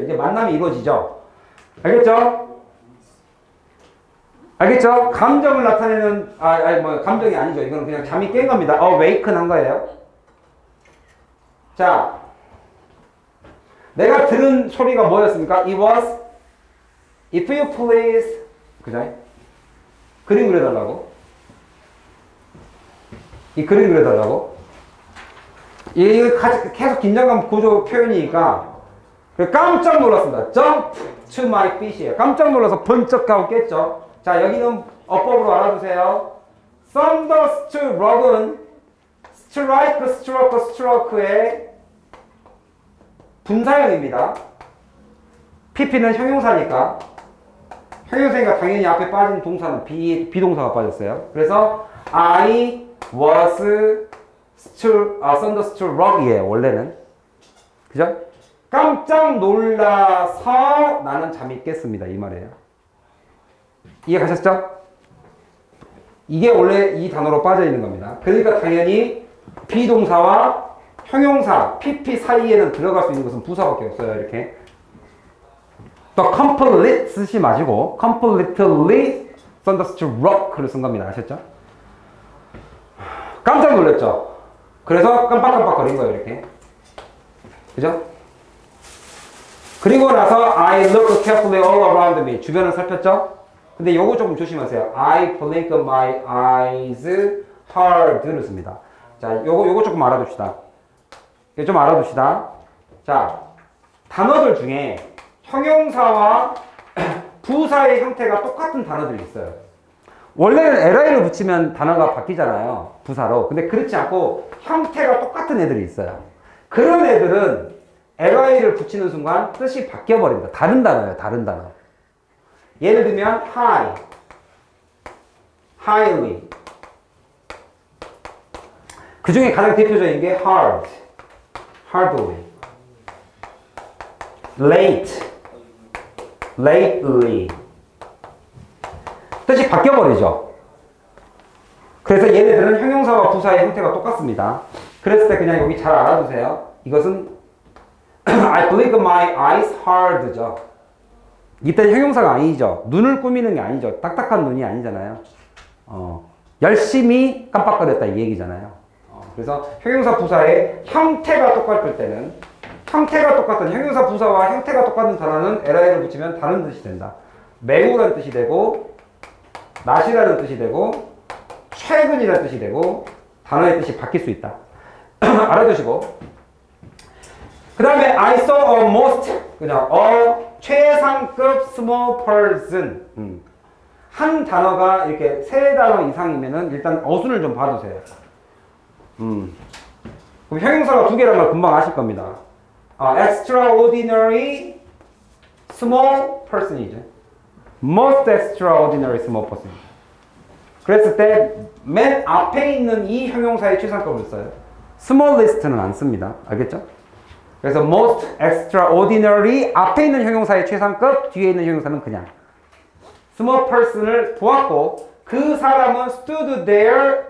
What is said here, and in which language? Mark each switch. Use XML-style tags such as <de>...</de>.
<ko>이제 만남이 이루어지죠. 알겠죠? 알겠죠? 감정을 나타내는, 감정이 아니죠. 이건 그냥 잠이 깬 겁니다. awaken 한 거예요. 자, 내가 들은 소리가 뭐였습니까?</ko> <en>It was, if you please,</en> <ko>그죠? 그림 그려달라고. 이 그림 그려달라고. 이거 계속 긴장감 고조 표현이니까 깜짝 놀랐습니다.</ko> <en>Jump to my feet이에요.</en> <ko>깜짝 놀라서 번쩍 하고 깼죠. 자, 여기는 어법으로 알아두세요.</ko> <en>Thunderstruck은 strike, struck, struck의 분사형입니다.</en> <ko>PP는 형용사니까 형용사니까 당연히 앞에 빠진 동사는 비동사가 빠졌어요. 그래서</ko> <en>I was thunderstruck이에요,</en> <ko>원래는. 그죠? 깜짝 놀라서 나는 잠이 깼습니다. 이 말이에요. 이해 가셨죠? 이게 원래 이 단어로 빠져있는 겁니다. 그러니까 당연히 비동사와 형용사, PP 사이에는 들어갈 수 있는 것은 부사밖에 없어요, 이렇게. 또 complete 쓰지 마시고,</ko> <en>completely thunderstruck를</en> <ko>쓴 겁니다. 아셨죠? 깜짝 놀랐죠? 그래서 깜빡깜빡 거린 거예요, 이렇게. 그죠? 그리고 나서</ko> <en>I looked carefully all around me.</en> <ko>주변을 살폈죠? 근데 요거 조금 조심하세요.</ko> <en>I blinked my eyes hard를</en> <ko>씁니다. 자, 요거 조금 알아둡시다. 좀 알아둡시다. 자, 단어들 중에 형용사와 부사의 형태가 똑같은 단어들이 있어요. 원래는 li를 붙이면 단어가 바뀌잖아요, 부사로. 근데 그렇지 않고 형태가 똑같은 애들이 있어요. 그런 애들은 li를 붙이는 순간 뜻이 바뀌어 버립니다. 다른 단어예요, 다른 단어. 예를 들면 high, highly. 그 중에 가장 대표적인 게 hard, hardly, late, lately. 뜻이 바뀌어버리죠. 그래서 얘네들은 형용사와 부사의 형태가 똑같습니다. 그랬을 때 그냥 여기 잘 알아두세요. 이것은</ko> <en>I blinked my eyes hard죠.</en> <ko>이때 형용사가 아니죠. 눈을 꾸미는 게 아니죠. 딱딱한 눈이 아니잖아요. 열심히 깜빡거렸다 이 얘기잖아요. 그래서 형용사 부사의 형태가 똑같을 때는, 형태가 똑같은, 형용사 부사와 형태가 똑같은 단어는 li를 붙이면 다른 뜻이 된다. 매우라는 뜻이 되고, not이라는 뜻이 되고, 최근이라는 뜻이 되고, 단어의 뜻이 바뀔 수 있다. 알아두시고. 그 다음에</ko> <en>I saw a most,</en> <ko>그냥</ko> <en>a</en> <ko>최상급</ko> <en>small person.</en> <ko>한 단어가 이렇게 세 단어 이상이면은 일단 어순을 좀 봐주세요. 그럼 형용사가 두 개란 말 금방 아실 겁니다.</ko> <en>아, extraordinary small person이죠. Most extraordinary small person.</en> <ko>그랬을 때 맨 앞에 있는 이 형용사의 최상급을 써요. Smallest는 안 씁니다. 알겠죠? 그래서</ko> <en>most extraordinary</en> <ko>앞에 있는 형용사의 최상급, 뒤에 있는 형용사는 그냥.</ko> <en>Small person을</en> <ko>보았고 그 사람은</ko> <en>stood there.</en>